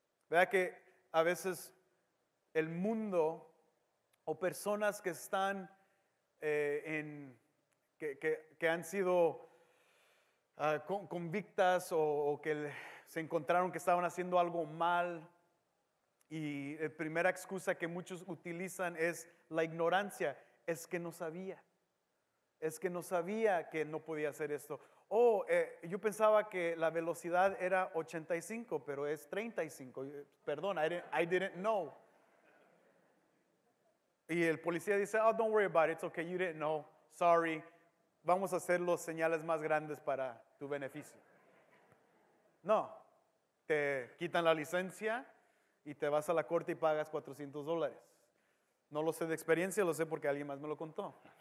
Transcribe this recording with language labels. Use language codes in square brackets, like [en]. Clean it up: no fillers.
[es] Vea que a veces el mundo o personas que están en que han sido convictas o que se encontraron que estaban haciendo algo mal, y la primera excusa que muchos utilizan es la ignorancia, es que no sabía. Es que no sabía que no podía hacer esto. Oh, yo pensaba que la velocidad era 85, pero es 35. [en] Perdón, I didn't know. [es] Y el policía dice, [en] oh, don't worry about it. It's okay, you didn't know. Sorry. [es] Vamos a hacer los señales más grandes para tu beneficio. No. Te quitan la licencia y te vas a la corte y pagas $400. No lo sé de experiencia, lo sé porque alguien más me lo contó.